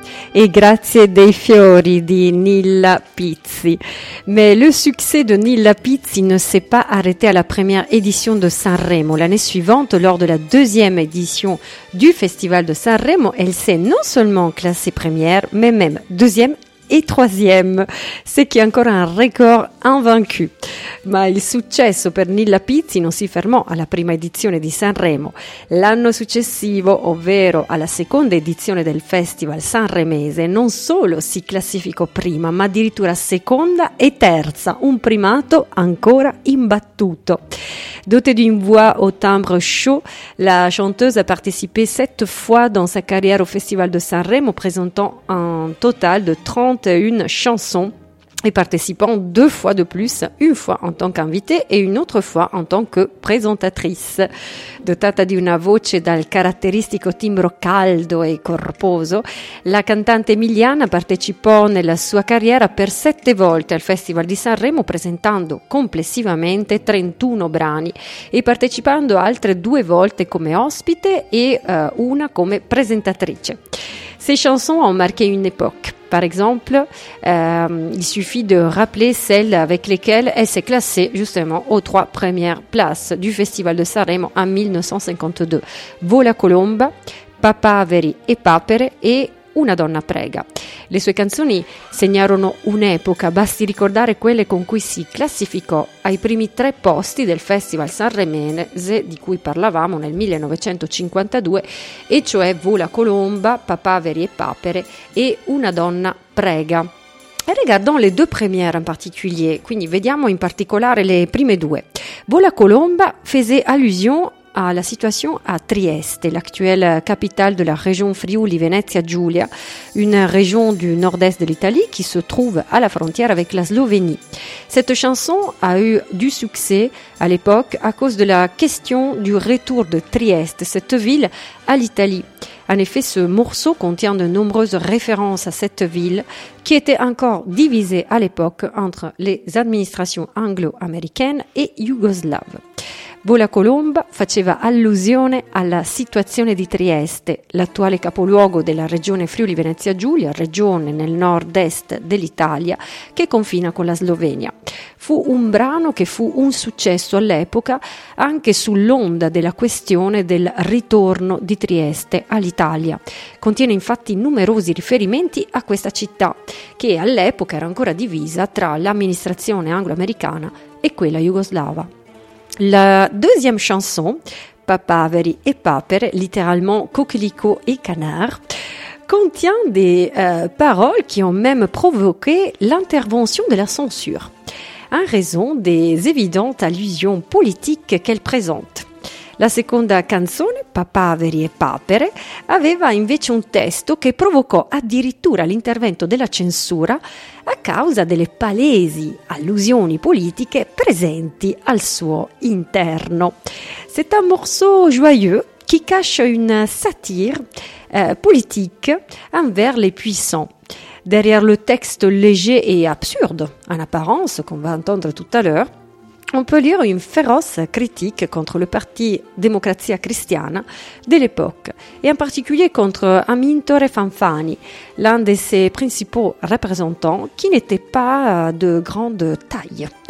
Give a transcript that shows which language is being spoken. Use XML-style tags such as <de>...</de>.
<it>Et grazie dei fiori di Nilla Pizzi.</it> <fr>Mais le succès de Nilla Pizzi ne s'est pas arrêté à la première édition de Sanremo. L'année suivante, lors de la deuxième édition du Festival de Sanremo, elle s'est non seulement classée première, mais même deuxième</fr> <it>e</it> <fr>troisième, ce qui</fr> <it>è ancora un</it> <fr>record invaincu.</fr> <it>Ma il successo per Nilla Pizzi non si fermò alla prima edizione di Sanremo. L'anno successivo, ovvero alla seconda edizione del Festival Sanremese, non solo si classificò prima, ma addirittura seconda e terza, un primato ancora imbattuto.</it> <fr>Dotée d'une voix au timbre chaud, la chanteuse a participé 7 fois dans sa carrière au Festival de Sanremo, présentant un total de 31 chansons et participant 2 fois de plus, une fois en tant qu'invitée et une autre fois en tant que présentatrice.</fr> <it>Dotata di una voce dal caratteristico timbro caldo e corposo, la cantante emiliana partecipò nella sua carriera per 7 volte al Festival di Sanremo, presentando complessivamente 31 brani e partecipando altre 2 volte come ospite e una come presentatrice.</it> <fr>Ces chansons ont marqué une époque. Par exemple, il suffit de rappeler celles avec lesquelles elle s'est classée justement aux 3 premières places du Festival de Sanremo en 1952.</fr> <it>Vola Colomba, Papaveri e Papere et Una donna prega. Le sue canzoni segnarono un'epoca, basti ricordare quelle con cui si classificò ai primi 3 posti del Festival Sanremese di cui parlavamo nel 1952, e cioè Vola Colomba, Papaveri e Papere e Una donna prega.</it> <fr>E regardons les 2 premières en particulier,</fr> <it>quindi vediamo in particolare le prime 2.</it> <fr>Vola Colomba faisait allusion à la situation à Trieste, l'actuelle capitale de la région Friuli-Venezia-Giulia, une région du nord-est de l'Italie qui se trouve à la frontière avec la Slovénie. Cette chanson a eu du succès à l'époque à cause de la question du retour de Trieste, cette ville, à l'Italie. En effet, ce morceau contient de nombreuses références à cette ville qui était encore divisée à l'époque entre les administrations anglo-américaines et yougoslaves.</fr> <it>Bola Colomba faceva allusione alla situazione di Trieste, l'attuale capoluogo della regione Friuli Venezia Giulia, regione nel nord-est dell'Italia che confina con la Slovenia. Fu un brano che fu un successo all'epoca anche sull'onda della questione del ritorno di Trieste all'Italia. Contiene infatti numerosi riferimenti a questa città che all'epoca era ancora divisa tra l'amministrazione anglo-americana e quella jugoslava.</it> <fr>La deuxième chanson, Papaveri et Papere, littéralement Coquelicot et Canard, contient des paroles qui ont même provoqué l'intervention de la censure, en raison des évidentes allusions politiques qu'elle présente.</fr> <it>La seconda canzone, Papaveri e Papere, aveva invece un testo che provocò addirittura l'intervento della censura a causa delle palesi allusioni politiche presenti al suo interno.</it> <fr>C'est un morceau joyeux qui cache une satire politique envers les puissants. Derrière le texte léger et absurde, en apparence, qu'on va entendre tout à l'heure, on peut lire une féroce critique contre le parti Democrazia Cristiana de l'époque, et en particulier contre Amintore Fanfani, l'un de ses principaux représentants qui n'était pas de grande taille.</fr>